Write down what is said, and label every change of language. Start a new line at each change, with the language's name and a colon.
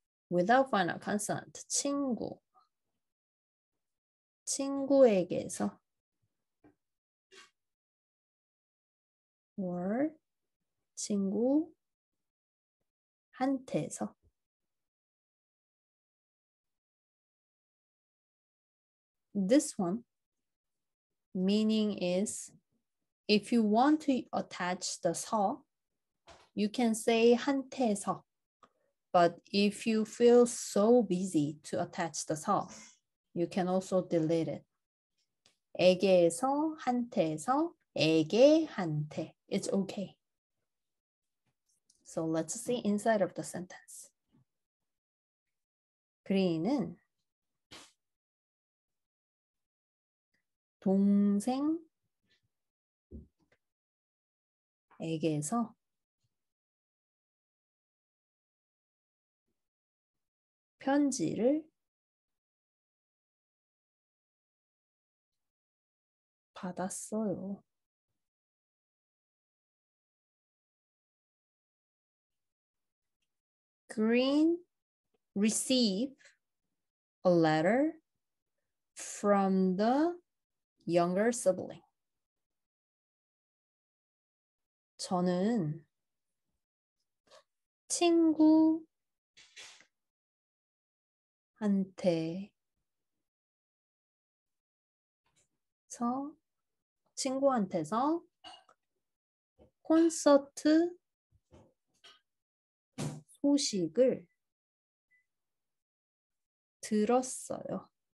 English: Without final consonant, 친구.
Korean: 친구에게서 or 친구한테서.
English: This one, meaning is, if you want to attach the 서, you can say 한테서. But if you feel so busy to attach the 서, you can also delete it.
Korean: 에게서 한테서 에게 한테.
English: It's okay. So let's see inside of the sentence.
Korean: 그리는 동생에게서 편지를 받았어요.
English: 그린 received a letter from the younger sibling.
Korean: 저는 친구 한테서 친구한테서 콘서트 소식을 들었어요.